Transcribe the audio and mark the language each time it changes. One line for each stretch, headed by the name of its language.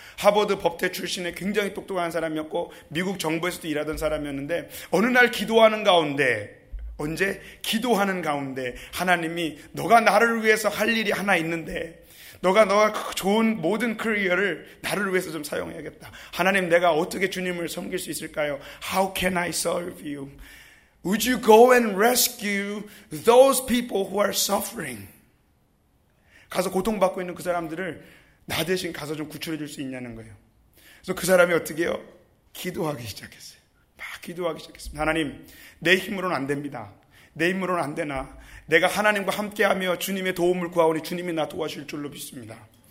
Korean: 하버드 법대 출신의 굉장히 똑똑한 사람이었고, 미국 정부에서도 일하던 사람이었는데, 어느 날 기도하는 가운데, 언제? 기도하는 가운데 하나님이, 너가 나를 위해서 할 일이 하나 있는데, 너가 좋은 모든 커리어를 나를 위해서 좀 사용해야겠다. 하나님, 내가 어떻게 주님을 섬길 수 있을까요?
English: How can I serve you? Would you go and rescue those people who are suffering?
Korean: 가서 고통받고 있는 그 사람들을 나 대신 가서 좀 구출해 줄 수 있냐는 거예요. 그래서 그 사람이 어떻게 해요? 기도하기 시작했어요. 막 기도하기 시작했어요. 하나님, 내 힘으로는 안 됩니다. 내 힘으로는 안 되나? 내가 하나님과 함께하며 주님의 도움을 구하오니 주님이 나 도와주실 줄로 믿습니다.